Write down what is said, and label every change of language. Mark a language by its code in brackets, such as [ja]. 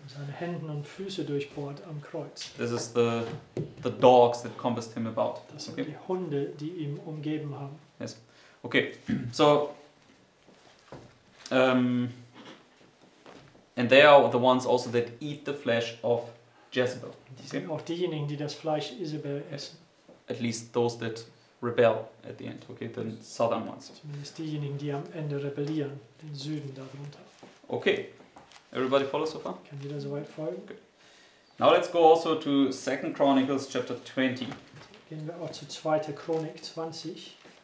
[de] Seine Hände und Füße durchbohrt am Kreuz. [en] This is the dogs that compassed him about. [de] Das sind okay. Die Hunde, die ihm umgeben haben. [en] Yes. Okay, so, and they are the ones also that eat the flesh of Jezebel. [de] Die sind auch diejenigen, die das Fleisch Isabel essen. [en] At least those that rebel at the end, okay, the southern ones. [de] Zumindest diejenigen, die am Ende rebellieren, den Süden darunter. [en] Okay, everybody follow so far? [de] Kann jeder so weit folgen? Okay. [en] Now let's go also to 2 Chronicles chapter 20. [de] Gehen wir auch zu 2. Chronik 20.